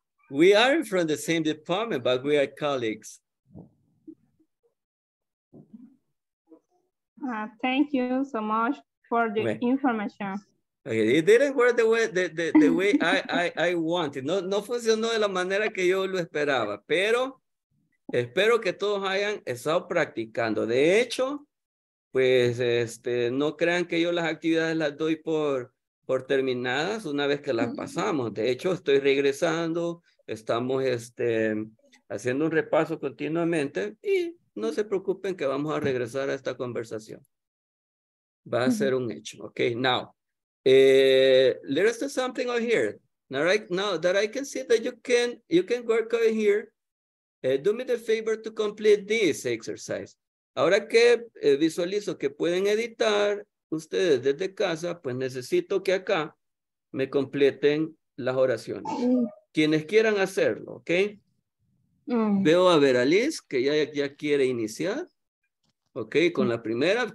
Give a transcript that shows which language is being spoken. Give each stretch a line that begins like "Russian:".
English: We aren't from the same department, but we are colleagues. Thank you so much for the information. Okay, it didn't work the way I wanted.
Spanish: No funcionó de la manera que yo lo esperaba, pero espero que todos hayan estado practicando. De hecho, pues no crean que yo las actividades las doy por terminadas una vez que las pasamos. De hecho, estoy regresando, estamos haciendo un repaso continuamente y no se preocupen que vamos a regresar a esta conversación. Va a ser un hecho.
English: Okay, now. Let us do something over here. Now, right now that I can see that you can work over here. Do me the favor to complete this exercise.
Spanish: Ahora que visualizo que pueden editar ustedes desde casa, pues necesito que acá me completen las oraciones. Quienes quieran hacerlo, ¿ok? Veo a Veraliz, que ya quiere iniciar. ¿Ok? Con la primera.